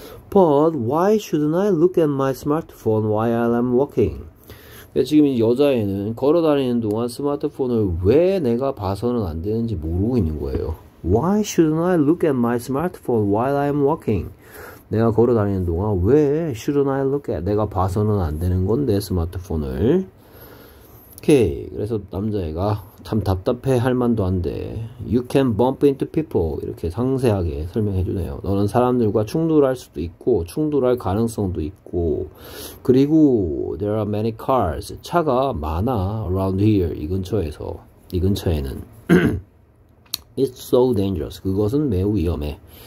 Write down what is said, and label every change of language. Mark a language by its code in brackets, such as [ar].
[en] But why shouldn't I look at my smartphone while I'm walking? [ko] 지금 이 여자애는 걸어 다니는 동안 스마트폰을 왜 내가 봐서는 안 되는지 모르고 있는 거예요. [en] Why shouldn't I look at my smartphone while I'm walking? [ko] 내가 걸어 다니는 동안 왜 [en] shouldn't I look at? [ko] 내가 봐서는 안 되는 건데 스마트폰을. 오케이. 그래서 남자애가 참 답답해 할 만도 한데 [en] You can bump into people [ko] 이렇게 상세하게 설명해 주네요. 너는 사람들과 충돌할 수도 있고 충돌할 가능성도 있고 그리고 [en] There are many cars [ko] 차가 많아 [en] around here [ko] 이 근처에서 이 근처에는 [en] It's so dangerous [ko] 그것은 매우 위험해.